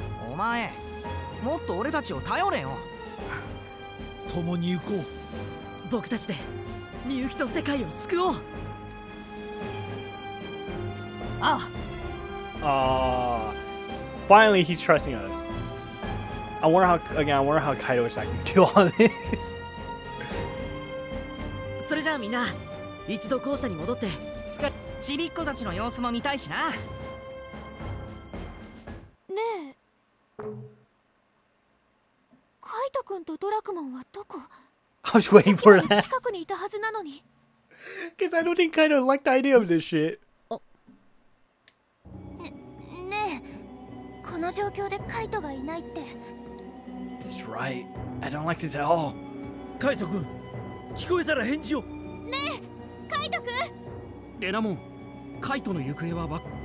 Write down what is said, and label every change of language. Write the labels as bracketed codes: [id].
[ja] お前もっと俺たちを頼れよ。共に行こう。僕たちでみゆきと世界を救おう。ああ。 [en] Finally, he's trusting us. I wonder how Kaido is acting to all this. [ja] それじゃあみんな一度校舎に戻ってつかちびっ子たちの様子も見たいしな。ねえ、カイト君とドラクモンはどこ？ [en] I was waiting for that. [ja] 近くにいたはずなのに。 [en] Cause I don't think Kaido liked the idea of this shit. [ja] この状況でカイトがいないって。 [en] That's right. I don't like this at all. [ja] カイト君、聞こえたら返事を。ねえ、カイト君。レナモン、カイトの行方はわ。